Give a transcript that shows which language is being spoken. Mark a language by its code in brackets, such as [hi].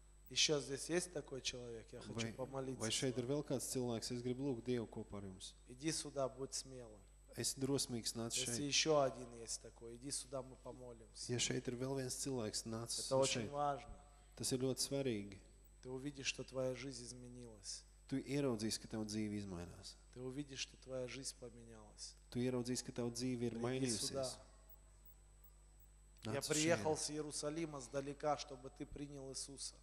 [ru] Еще здесь есть такой человек, я хочу помолиться. [lv] Vai šeit ir vēl kāds cilvēks, es gribu lūgt Dievu kopā ar jums. [ru] Иди сюда, будь смелым. [lv] Esi drosmīgs, nāc šeit. [ru] Если еще один есть такой, иди сюда, мы помолимся. [lv] Ja šeit ir vēl viens cilvēks, nāc [ru] это [lv] šeit. [ru] Очень важно. [lv] Tas ir ļoti svarīgi. [ru] Ты увидишь, что твоя жизнь изменилась. [lv] Tu ieraudzīsi, ka tava dzīve izmainās. [ru] Ты увидишь, что твоя жизнь поменялась. [lv] Tu ieraudzīsi, ka tava dzīve ir mainījusies. [ru] Я приехал с Иерусалима, сдалека, чтобы ты принял Иисуса.